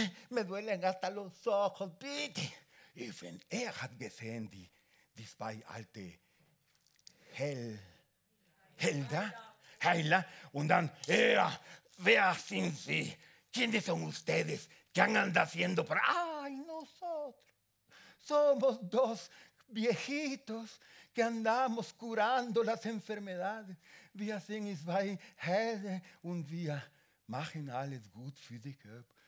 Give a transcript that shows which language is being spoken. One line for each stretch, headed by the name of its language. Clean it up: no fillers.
Spanish: Me duelen hasta los ojos, bitte.
German: Y wenn hat gesehen, die zwei alte Helda. Heila, und dann, wer sind Sie?
Spanish: ¿Quiénes son ustedes? ¿Qué andan haciendo? Ay, nosotros somos dos viejitos que andamos curando las enfermedades.
German: Wir sind zwei Helden und wir machen alles gut für den Körper.